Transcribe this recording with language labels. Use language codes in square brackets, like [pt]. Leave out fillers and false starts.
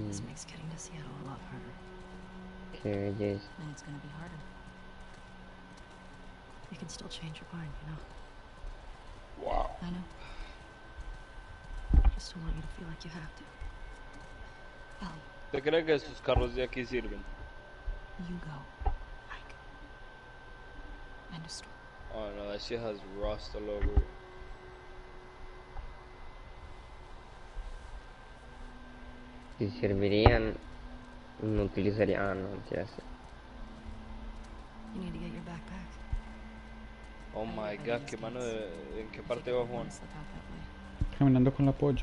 [en] This makes getting to Seattle a lot harder. Okay, yes. And it's gonna be harder. You can still change your mind, you know. Wow. I know. I just don't want you to feel like you have to. Ellie. [es] ¿Te crees que estos carros de aquí sirven? [en] You go, Mike. End of story. Oh no, that shit has rust all over it. [es] Si servirían, no utilizaría, ah, no, ya sé. [en] You need to get your backpack. Oh my god, [es] qué mano de... ¿En qué parte va Juan? Caminando con la polla.